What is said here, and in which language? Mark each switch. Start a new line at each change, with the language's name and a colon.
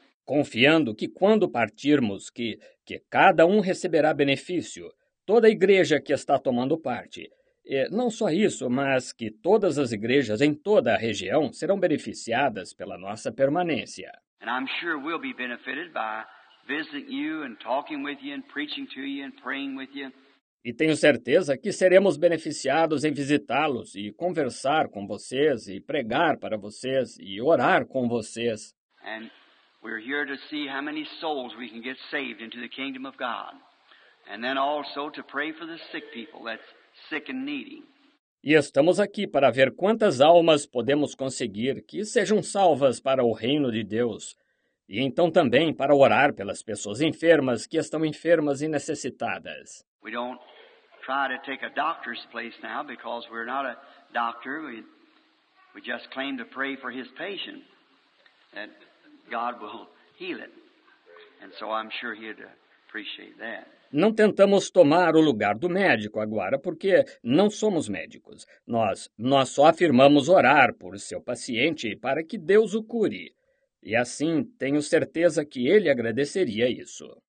Portuguese: Confiando que quando partirmos, que cada um receberá benefício, toda a igreja que está tomando parte. E não só isso, mas que todas as igrejas em toda a região serão beneficiadas pela nossa permanência.
English: And I'm sure we'll be benefited by visiting you and talking with you and preaching to you and praying with you.
Portuguese: E tenho certeza que seremos beneficiados em visitá-los e conversar com vocês e pregar para vocês e orar com vocês.
English: And we're here to see how many souls we can get saved into the kingdom of God. And then also to pray for the sick people that's sick and needy.
Portuguese: E estamos aqui para ver quantas almas podemos conseguir que sejam salvas para o reino de Deus. E então também para orar pelas pessoas enfermas que estão enfermas e necessitadas.
English: We don't try to take a doctor's place now because we're not a doctor. We just claim to pray for his patient. And God will heal it. And so I'm sure he'd appreciate that.
Portuguese: Não tentamos tomar o lugar do médico agora, porque não somos médicos. Nós só afirmamos orar por seu paciente para que Deus o cure. E assim, tenho certeza que ele agradeceria isso.